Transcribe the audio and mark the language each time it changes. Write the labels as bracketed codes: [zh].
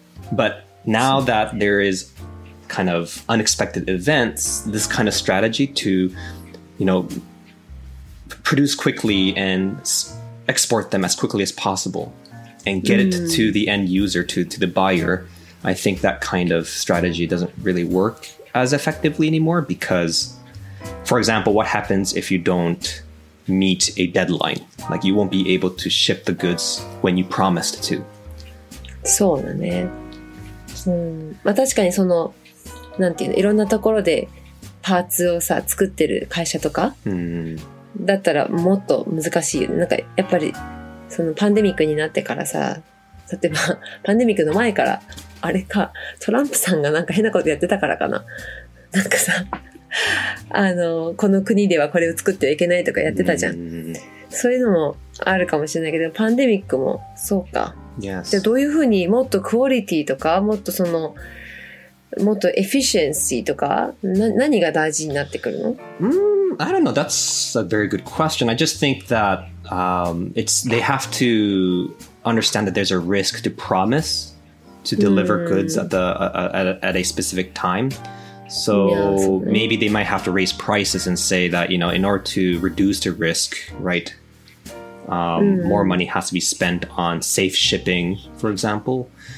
[en] But now that there is kind of unexpected events, this kind of strategy to, produce quickly and export them as quickly as possible and get it to the end user, to the buyer, I think that kind of strategy doesn't really work as effectively anymore because, for example, what happens if you don't meet a deadline? Like you won't be able to ship the goods when you promised to. [ja] そうだね。うん。まあ確かにその、なんていうの、いろんなところでパーツをさ、作ってる会社とか、だったらもっと難しいよね。なんかやっぱり、そのパンデミックになってからさ、例えば、パンデミックの前から、あれか、トランプさんがなんか変なことやってたからかな。なんかさ、この国ではこれを作ってはいけないとかやってたじゃん。そういうのもあるかもしれないけど、パンデミックもそうか。 [en] Yes. [ja] でどういうふうにもっとクオリティとかもっとそのもっとエフィシエンシーとかな何が大事になってくるの [en] I don't know. That's a very good question. I just think that they have to understand that there's a risk to promise to deliver goods at a specific time. So maybe they might have to raise prices and say that, you know, in order to reduce the risk, right, more money has to be spent on safe shipping, for example.